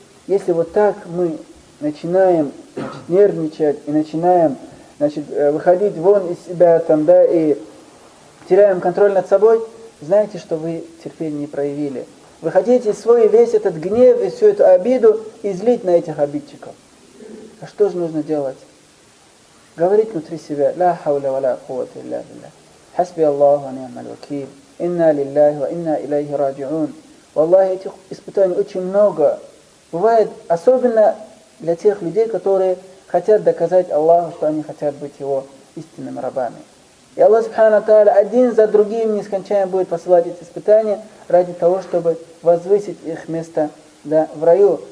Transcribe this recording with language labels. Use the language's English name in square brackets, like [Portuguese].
[Russian] Если вот так мы начинаем, значит, нервничать и начинаем, значит, выходить вон из себя там, да, и теряем контроль над собой, знаете, что вы терпения не проявили. Вы хотите свой весь этот гнев и всю эту обиду излить на этих обидчиков. А что же нужно делать? Говорить внутри себя: [Arabic] «Ла хауля ва ла куввата илля биллях». حسبي الله ونعم الوكيل إنا لله وإنا إليه راجعون. [Russian] والله этих испытаний очень много бывает, особенно для тех людей, которые хотят доказать Аллаху, что они хотят быть Его истинными рабами. И Аллах Субхана Тааля один за другим нескончаемо будет посылать эти испытания ради того, чтобы возвысить их место, да, в раю.